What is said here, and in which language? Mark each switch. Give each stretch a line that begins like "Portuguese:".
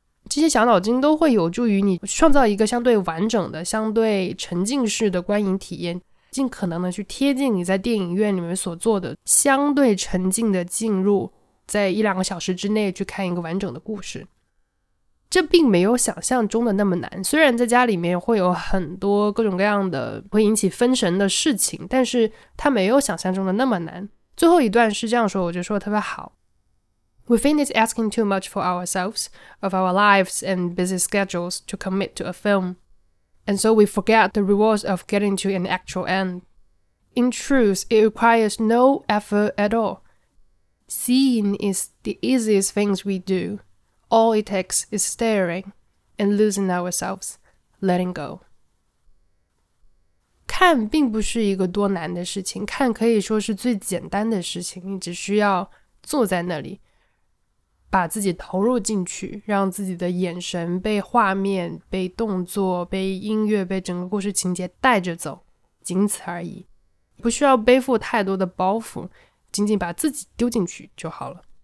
Chinese: 这些小脑筋都会有助于你创造一个相对完整的相对沉浸式的观影体验，尽可能的去贴近你在电影院里面所做的相对沉浸的进入，在一两个小时之内去看一个完整的故事。这并没有想象中的那么难，虽然在家里面会有很多各种各样的会引起分神的事情，但是它没有想象中的那么难。最后一段是这样说，我觉得说得特别好。
English: We finish asking too much for ourselves of our lives and busy schedules to commit to a filmAnd so we forget the rewards of getting to an actual end. In truth, it requires no effort at all. Seeing is the easiest things we do. All it takes is staring and losing ourselves, letting go.
Chinese: 看并不是一个多难的事情，看可以说是最简单的事情，你只需要坐在那里，把自己投入进去，让自己的眼神被画面、被动作、被音乐、被整个故事情节带着走，仅此而已，不需要背负太多的包袱，仅仅把自己丢进去就好了。